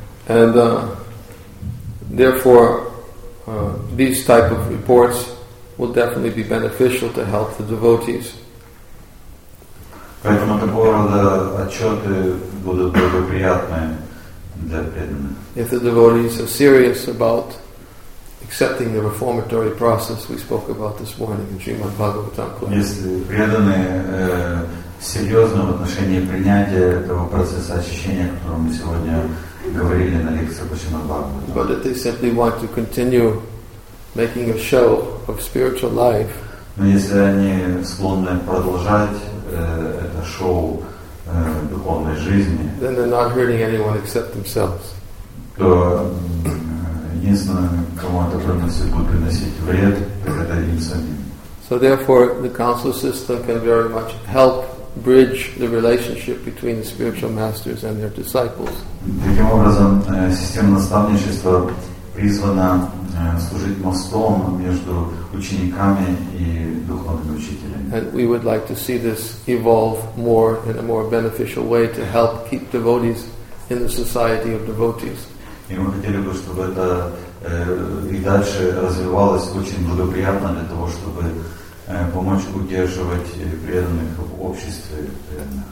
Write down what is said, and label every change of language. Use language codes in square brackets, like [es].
[en] And therefore, these type of reports will definitely be beneficial to help the devotees. [ru] Поэтому такого рода отчеты будут благоприятны для преданных. [en] If the devotees are serious about accepting the reformatory process we spoke about this morning in Srimad Bhagavatam. [ru] Если преданные серьезно в отношении принятия этого процесса очищения, о котором мы сегодня говорили на лекции по Шримад Бхагаватам. [en] But if they simply want to continue making a show of spiritual life. [ru] Но если они склонны продолжать это шоу духовной жизни, [en] then they're not hurting anyone except themselves. [ru] То единственное, кому это приносит, будет приносить вред, так это им самим. [en] So therefore, the council system can very much help bridge the relationship between the spiritual masters and their disciples. [ru] Таким образом, система наставничества призвана служить мостом между учениками и духовными учителями. [en] And we would like to see this evolve more in a more beneficial way to help keep devotees in the society of devotees. [ru] И мы хотели бы, чтобы это и дальше развивалось очень благоприятно для того, чтобы помочь удерживать преданных в обществе преданных.